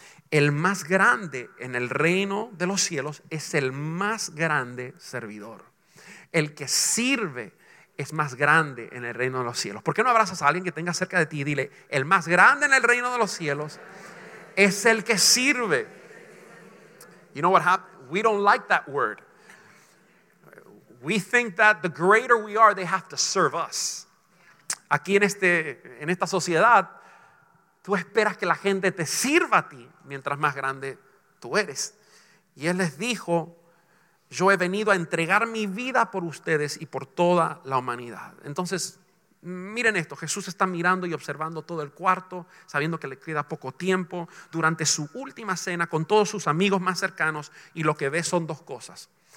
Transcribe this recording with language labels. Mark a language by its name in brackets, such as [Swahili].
[Spanish] El más grande en el reino de los cielos es el más grande servidor. El que sirve es más grande en el reino de los cielos. ¿Por qué no abrazas a alguien que tenga cerca de ti y dile: el más grande en el reino de los cielos es el que sirve? [English] You know what happened? We don't like that word. We think that the greater we are, they have to serve us. [Spanish] Aquí en esta sociedad, tú esperas que la gente te sirva a ti mientras más grande tú eres. Y él les dijo: yo he venido a entregar mi vida por ustedes y por toda la humanidad. Entonces, miren esto, Jesús está mirando y observando todo el cuarto, sabiendo que le queda poco tiempo, durante su última cena con todos sus amigos más cercanos, y lo que ve son dos cosas.